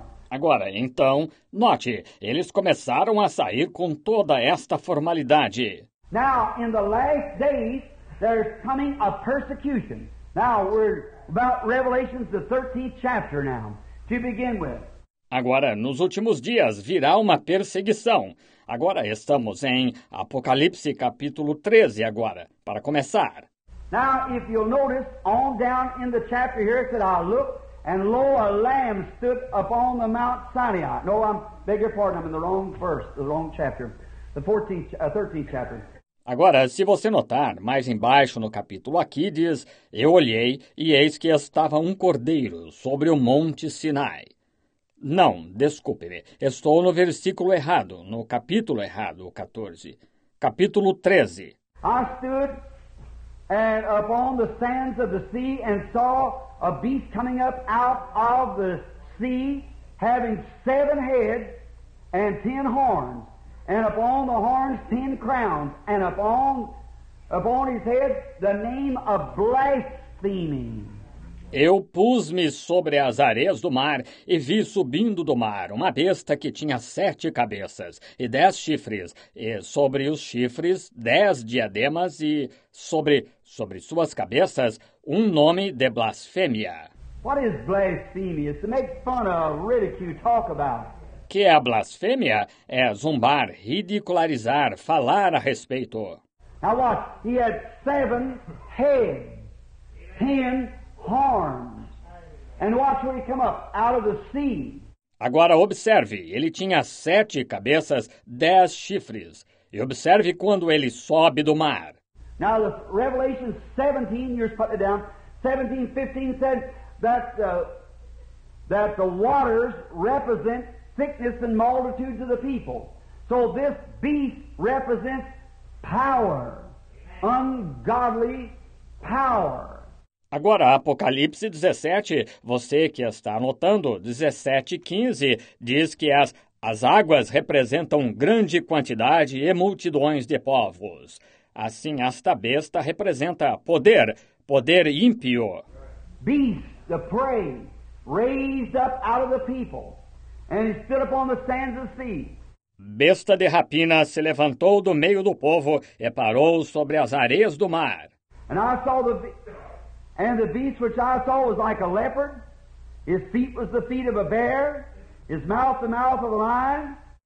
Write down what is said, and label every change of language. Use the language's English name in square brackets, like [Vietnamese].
[Portuguese] Agora, então, note, eles começaram a sair com toda esta formalidade. [English] Now, in the last days, there's coming a persecution. Now, we're about Revelation, the 13th chapter now, to begin with. [Portuguese] Agora, nos últimos dias, virá uma perseguição. Agora, estamos em Apocalipse, capítulo 13, agora, para começar. [English] Now, if you'll notice, on down in the chapter here, it said, I looked, and lo, a lamb stood upon the Mount Sinai. No, I beg your pardon, I'm in the wrong verse, the wrong chapter, the 13th chapter. [Portuguese] Agora, se você notar, mais embaixo no capítulo aqui diz, eu olhei e eis que estava um cordeiro sobre o Monte Sinai. Não, desculpe-me, estou no versículo errado, no capítulo errado, 14. Capítulo 13. [English] I stood and upon the sands of the sea and saw a beast coming up out of the sea, having seven heads and ten horns. And upon the horns, ten crowns, and upon his head, the name of blaspheming. [Portuguese] Eu pus-me sobre as areias do mar e vi subindo do mar uma besta que tinha sete cabeças e dez chifres, e sobre os chifres, dez diademas, e sobre suas cabeças, um nome de blasfêmia. [English] What is blasphemy? It's to make fun of, ridicule, talk about. [Portuguese] O que é a blasfêmia? É zombar, ridicularizar, falar a respeito. [English] Now watch, he had seven heads, ten horns. And watch where he come up, out of the sea. [Portuguese] Agora observe, ele tinha sete cabeças, dez chifres. E observe quando ele sobe do mar. [English] Now the Revelation 17, you're putting it down, 17, 15 said that the waters represent sickness and multitudes of the people. So this beast represents power, ungodly power. [Portuguese] Agora, Apocalipse 17, você que está anotando, 17, 15, diz que as águas representam grande quantidade e multidões de povos. Assim, esta besta representa poder ímpio. [English] Beast, the prey, raised up out of the people. And he stood upon the sands of the sea. [Portuguese] Besta de rapina se levantou do meio do povo e parou sobre as areias do mar. [English] And I saw the beast which I saw was like a leopard. His feet was the feet of a bear. His mouth the mouth of a lion.